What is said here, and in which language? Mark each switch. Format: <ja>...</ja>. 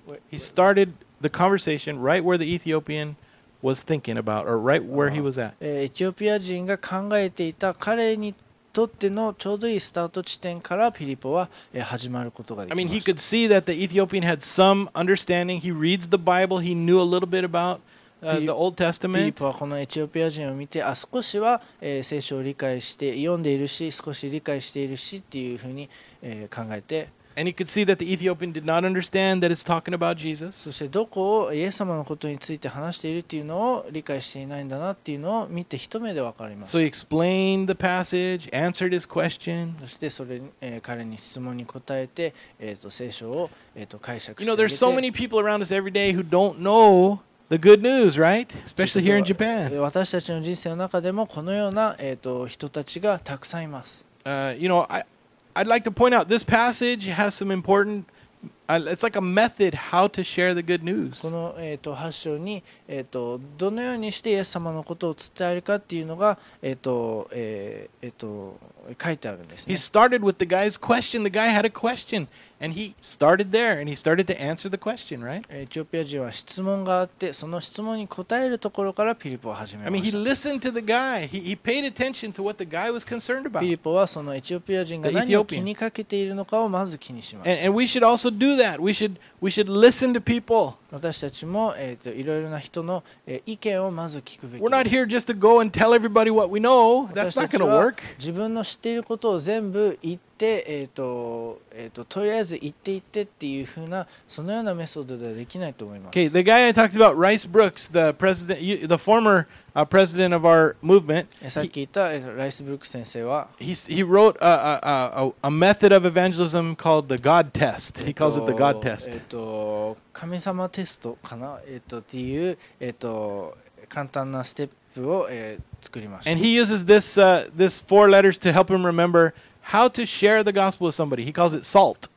<en>He started the conversation right where the Ethiopian was thinking about, or right where he was at.</en> <ja>エチオピア人が考えていた彼にとってのちょうどいいスタート地点からピリポは始まることができました。</ja> <en>I mean, he could see that the Ethiopian had some understanding. He reads the Bible. He knew a little bit about the Old Testament.</en> <ja>ピリポはこのエチオピア人を見て、あ、少しは、聖書を理解して読んでいるし、少し理解しているしっていうふうに、考えて、</ja> <en>And he could see that the Ethiopian did not understand that it's talking about Jesus.</en> <ja>そしてどこをイエス様のことについて話しているっていうのを理解していないんだなっていうのを見て一目でわかります。</ja> <en>So he explained the passage, answered his question.</en> <ja>そしてそれ、彼に質問に答えて、聖書を、解釈して。</ja> <en>You know, there's so many people around us every day who don't know the good news, right? Especially here in Japan.</en> <ja>私たちの人生の中でもこのような、人たちがたくさんいます。</ja> <en>You know, I'd like to point out this passage has some important. It's like a method how to share the good news.</en> <ja>この8章にどのようにしてイエス様のことを伝えるかっていうのが書いてあるんですね。</ja> <en>He started with the guy's question. The guy had a question, and he started there, and he started to answer the question, right?</en> <ja>エチオピア人は質問があって、その質問に答えるところからピリポは始めました。</ja> <en>I mean, he listened to the guy. He paid attention to what the guy was concerned about.</en> <ja>ピリポはそのエチオピア人が何を気にかけているのかをまず気にしました。</ja> <en>And we should also do that. We should listen to people.</en> <ja>私たちもいろいろな人の意見をまず聞くべき。</ja> <en>We're not here just to go and tell everybody what we know. That's not going to work.</en> <ja>自分の知っていることを全部言って、とりあえず言って言ってっていうふうな、そのようなメソッドではできないと思います。</ja> <en>Okay, the guy I talked about, Rice Brooks, the president, the former president of our movement.</en> <ja>さっき言ったライス・ブルック先生は、</ja> <en>he wrote a method of evangelism called the God Test. He calls it the God Test.</en> <ja>神様テストかな、っていう、簡単なステップを、作りました。</ja> <en>And he uses this, this four letters to help him remember how to share the gospel with somebody. He calls it salt.</en>